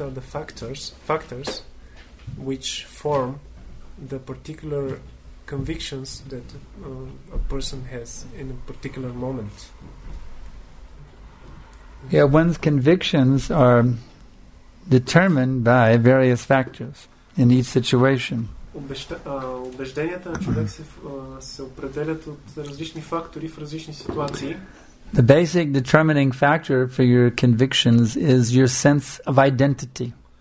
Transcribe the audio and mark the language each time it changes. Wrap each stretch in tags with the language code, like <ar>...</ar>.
<en>are the factors which form the particular convictions that a person has in a particular moment? Yeah, one's convictions are determined by various factors in each situation.</en> <bg>Убежденията на човек се определят от различни фактори в различни ситуации.</bg> <en>The basic determining factor for your convictions is your sense of identity.</en>